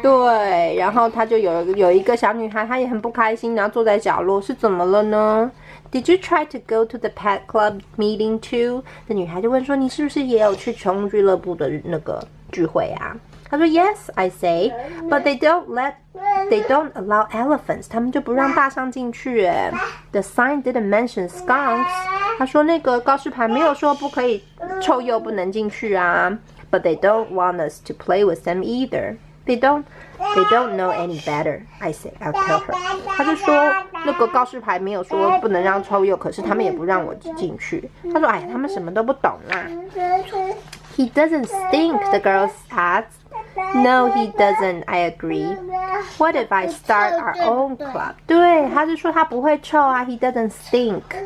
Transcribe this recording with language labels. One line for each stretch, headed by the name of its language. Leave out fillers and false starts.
Chinese: 对，然后他就有一个小女孩，她也很不开心，然后坐在角落，是怎么了呢？
English: Did you try to go to the pet club meeting too?
Chinese: 那女孩就问说，你是不是也有去宠物俱乐部的那个聚会啊？他说
English: ，Yes, I say, but they don't allow elephants.
Chinese: 他们就不让大象进去。
English: The sign didn't mention skunks.
Chinese: 他说那个告示牌没有说不可以臭鼬不能进去啊。
English: But they don't want us to play with them either. They don't know any better. I say, I'll tell her.
Chinese: 他就说那个告示牌没有说不能让臭鼬，可是他们也不让我进去。他说，哎，他们什么都不懂啦。
English: He doesn't stink, the girl adds. No, he doesn't, I agree. What if I start our own club?
Chinese: 对，他就说他不会臭啊，
English: he doesn't stink.